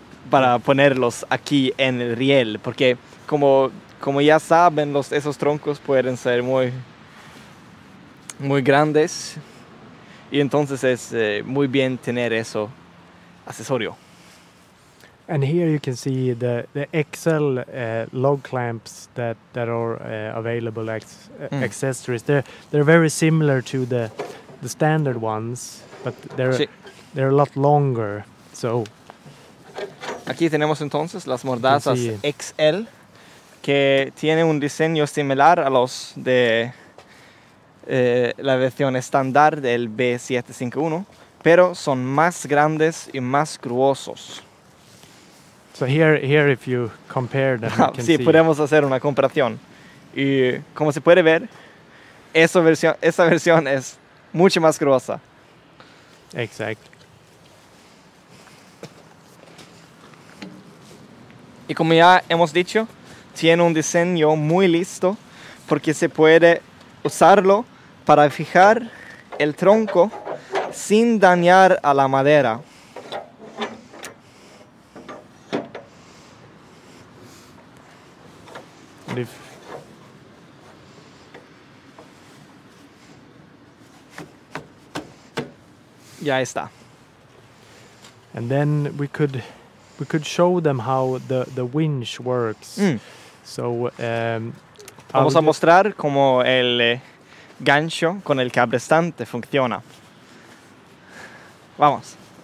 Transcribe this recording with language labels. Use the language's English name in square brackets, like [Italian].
[Spanish] para ponerlos aquí en el riel, porque como ya saben, esos troncos pueden ser muy, muy grandes, y entonces es muy bien tener eso accesorio. [English] And here you can see the XL log clamps that are available as accessories. They're very similar to the standard ones, but they're a lot longer. So [Spanish] aquí tenemos entonces las mordazas XL que tiene un diseño similar a los de la versión estándar del B751, pero son más grandes y más gruesos. [English] So here if you compare them, you can [Spanish] sí, [English] see. [Spanish] Podemos hacer una comparación. Y como se puede ver, esa versión es mucho más gruesa. Exacto. Y como ya hemos dicho, tiene un diseño muy listo porque se puede usarlo para fijar el tronco sin dañar a la madera. Ya está. [English] And then we could show them how the winch works. Mm. So [Spanish] vamos a mostrar cómo el gancho con el cabrestante funciona. Vamos.